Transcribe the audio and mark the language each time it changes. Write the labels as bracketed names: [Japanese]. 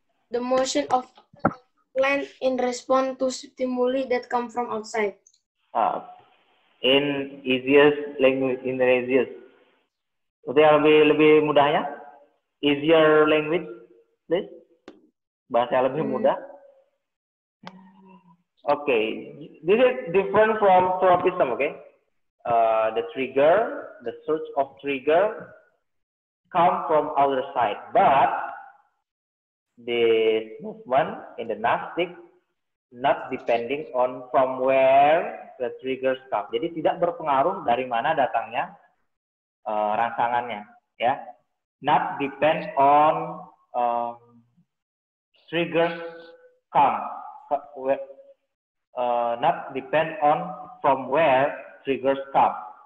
[English] The motion of plant in response to stimuli that come from outside. In easiest language, in the easiest. [Indonesian] Itu yang lebih mudahnya? [English] Easier language, please? [Indonesian] Bahasa yang lebih mudah? [English] Okay, this is different from tropism, okay? The trigger, the search of trigger come from other side, but this movement in the nastic not depending on from where the trigger comes. [Indonesian] Jadi tidak berpengaruh dari mana datangnya rangsangannya, ya. [English] Not depend on trigger come. Not depend on from where trigger comes.